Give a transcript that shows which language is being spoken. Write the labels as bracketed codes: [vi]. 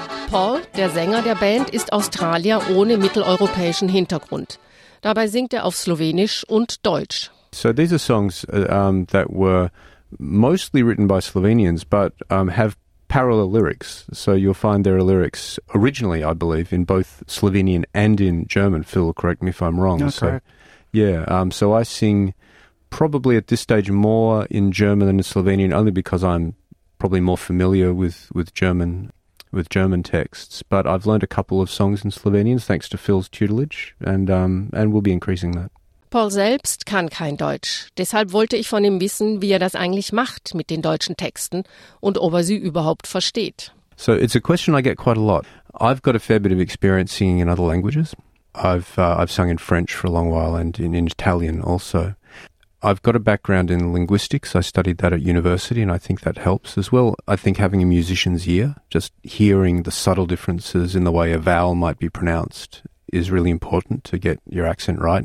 [de] Paul, der Sänger der Band, ist Australier ohne mitteleuropäischen Hintergrund. Dabei singt auf Slowenisch und Deutsch. [en] So these are songs that were mostly written by Slovenians, but have parallel lyrics. So you'll find there are lyrics originally, I believe, in both Slovenian and in German. Phil, correct me if I'm wrong. Okay. So, yeah. So I sing probably at this stage more in German than in Slovenian, only because I'm probably more familiar with German texts. But I've learned a couple of songs in Slovenian, thanks to Phil's tutelage, and we'll be increasing that. [de] Paul selbst kann kein Deutsch. Deshalb wollte ich von ihm wissen, wie das eigentlich macht mit den deutschen Texten und ob sie überhaupt versteht. [en] So it's a question I get quite a lot. I've got a fair bit of experience singing in other languages. I've sung in French for a long while and in Italian also. I've got a background in linguistics. I studied that at university, and I think that helps as well. I think having a musician's ear, just hearing the subtle differences in the way a vowel might be pronounced, is really important to get your accent right.